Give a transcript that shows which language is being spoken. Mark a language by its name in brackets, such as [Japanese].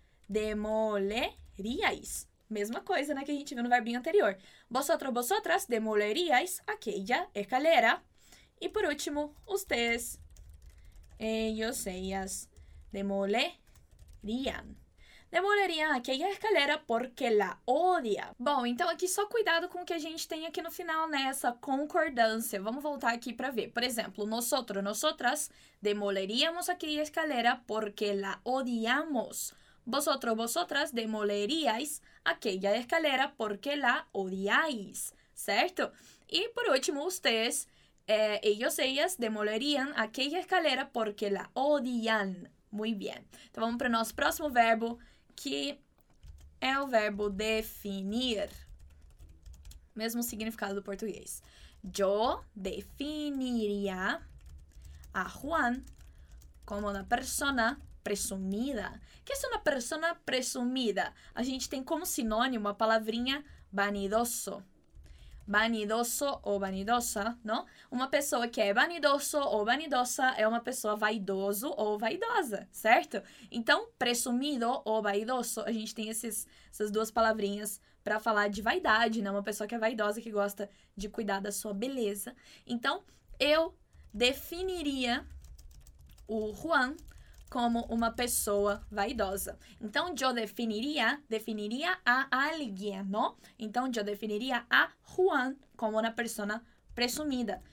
[Portuguese] Demoleríais. Mesma coisa, né, que a gente viu no verbinho anterior. [Spanish] Vosotros, vosotras, demoleríais aquella escalera. [Portuguese] E por último, [Spanish] ustedes, ellos, ellas, demolerían. Demolerían aquella escalera porque la odia. [Portuguese] Bom, então aqui só cuidado com o que a gente tem aqui no final, né, essa concordância. Vamos voltar aqui para ver. [Spanish] Por exemplo, nosotros, nosotras, demoleríamos aquella escalera porque la odiamos. Vosotros, vosotras, demoleríais aquella escalera porque la odiáis, certo? E por último, ustedes, ellos, ellas, demolerían aquella escalera porque la odian. Muy bien. [Portuguese] Então vamos para o nosso próximo verbo, que é o verbo definir. Mesmo significado do português. [Spanish] Yo definiría a Juan como una persona presumida. [Portuguese] O que é uma persona presumida? A gente tem como sinônimo a palavrinha vanidoso. Vanidoso ou vanidosa, não? Uma pessoa que é vanidoso ou vanidosa é uma pessoa vaidoso ou vaidosa, certo? Então, presumido ou vaidoso, a gente tem essas duas palavrinhas para falar de vaidade, né? Uma pessoa que é vaidosa, que gosta de cuidar da sua beleza. Então, eu definiria o Juan como uma pessoa vaidosa. [Spanish] Então, yo definiría a alguien, ¿no? Então, yo definiría a Juan como una persona presumida.